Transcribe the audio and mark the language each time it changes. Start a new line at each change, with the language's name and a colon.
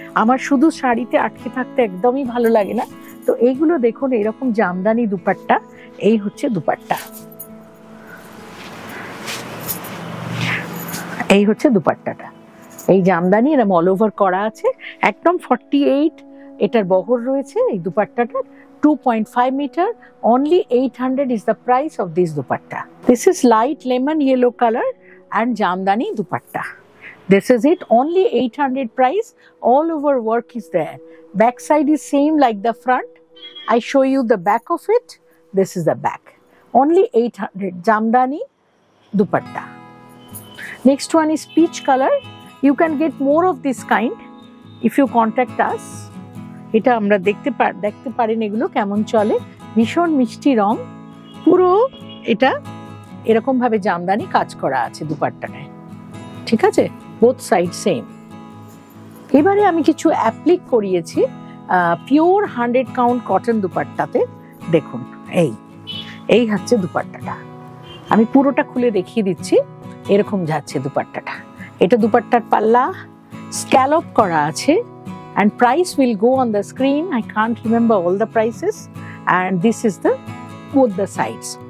Bangla: আমার শুধু শাড়িতে আটকে থাকতে একদমই ভালো লাগে না, তো এইগুলো দেখুন, এরকম জামদানি দুপাট্টা। এই হচ্ছে দুপাট্টা, এই হচ্ছে দুপাট্টাটা, এই জামদানি। এরকম অল ওভার করা আছে, একদম 48 এটার বহর রয়েছে এই দুপাট্টাটা।
English: 2.5 meter, only 800 is the price of this dupatta. This is light lemon yellow color and jamdani dupatta. This is it, only 800 price. All over work is there. Back side is same like the front. I show you the back of it. This is the back. Only 800 jamdani dupatta. Next one is peach color. You can get more of this kind if you contact us.
Bangla: এটা আমরা দেখতে পারেন এগুলো কেমন চলে। ভীষণ মিষ্টি রং পুরো, এটা এরকমভাবে জামদানি কাজ করা আছে দুপাট্টাটায়, ঠিক আছে,
English: Both side same.
Bangla: এবারে আমি কিছু অ্যাপ্লিক করিয়েছি পিওর 100 count কটন দুপাট্টাতে। দেখুন এই এই হচ্ছে দুপাট্টাটা, আমি পুরোটা খুলে দেখিয়ে দিচ্ছি, এরকম যাচ্ছে দুপাট্টাটা। এটা দুপাট্টার পাল্লা, স্ক্যালপ করা আছে।
English: And price will go on the screen. I can't remember all the prices. And this is the both the sides.